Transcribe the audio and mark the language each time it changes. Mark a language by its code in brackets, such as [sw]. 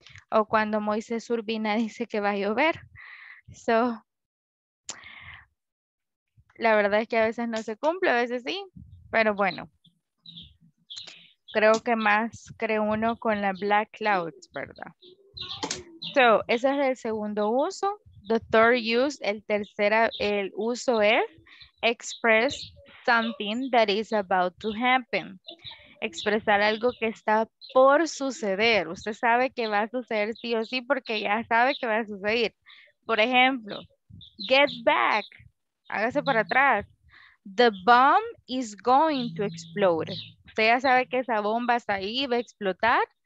[es] O cuando Moisés Urbina dice que va a llover. So, la verdad es que a veces no se cumple, a veces sí. Pero bueno, creo que más cree uno con la [en] black clouds, [es] ¿verdad? So, ese es el segundo uso. [en] The third use, [es] el uso es [en] express something that is about to happen. [es] Expresar algo que está por suceder. Usted sabe que va a suceder sí o sí porque ya sabe que va a suceder. Por ejemplo, [en] get back. [es] Hágase para atrás. [en] The bomb is going to explode. [es] Usted ya sabe que esa bomba está ahí y va a explotar.